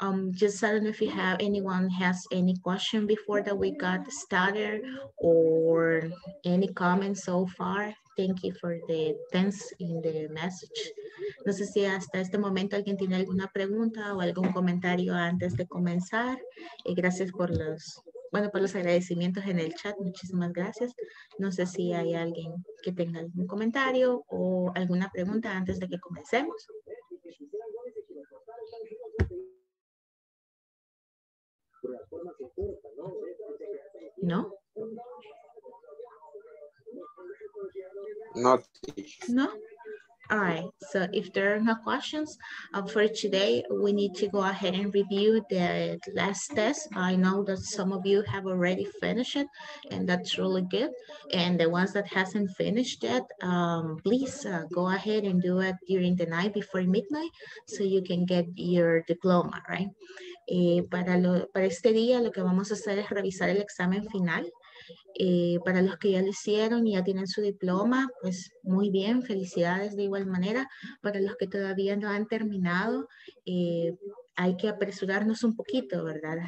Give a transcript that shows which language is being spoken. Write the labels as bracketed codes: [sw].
[en] Just I don't know if you have anyone has any question before that we got started or any comments so far. thank you for the tense in the message. [es] No sé si hasta este momento alguien tiene alguna pregunta o algún comentario antes de comenzar. Gracias por los, bueno, por los agradecimientos en el chat. Muchísimas gracias. No sé si hay alguien que tenga algún comentario o alguna pregunta antes de que comencemos. ¿No? [en] Not. No? All right, so if there are no questions for today, we need to go ahead and review the last test. I know that some of you have already finished it, and that's really good. And the ones that hasn't finished yet, please go ahead and do it during the night before midnight so you can get your diploma, right? [es] Para este día, lo que vamos a hacer es revisar el examen final. Para los que ya lo hicieron y ya tienen su diploma, pues muy bien, felicidades de igual manera. Para los que todavía no han terminado, hay que apresurarnos un poquito, ¿verdad?